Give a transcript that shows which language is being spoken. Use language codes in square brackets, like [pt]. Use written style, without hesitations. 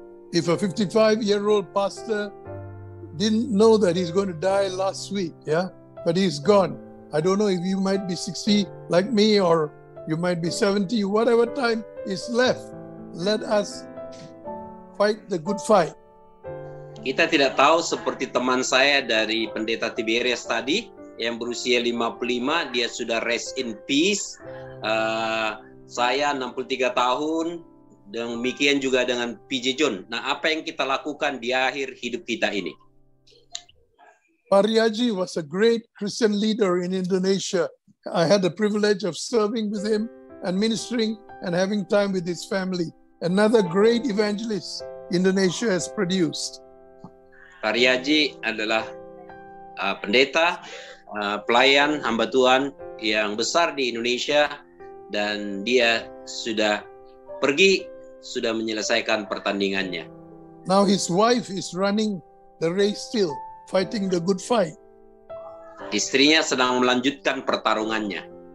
[en] If a 55-year-old pastor didn't know that he's going to die last week, yeah, but he's gone. I don't know if you might be 60 like me, or you might be 70, whatever time is left, let us fight the good fight. [id] Kita tidak tahu, seperti teman saya dari Pendeta Tiberias tadi, yang berusia 55, dia sudah [en] rest in peace. [id] Saya 63 tahun, demikian juga dengan PJ John. Nah, apa yang kita lakukan di akhir hidup kita ini? [en] Pariaji was a great Christian leader in Indonesia. I had the privilege of serving with him and ministering and having time with his family. Another great evangelist Indonesia has produced. [id] Pariaji adalah pendeta, pelayan, hamba Tuhan yang besar di Indonesia, dan dia sudah pergi, sudah menyelesaikan pertandingannya. [en] Now his wife is running the race still, fighting the good fight. [id] Istrinya sedang melanjutkan pertarungannya.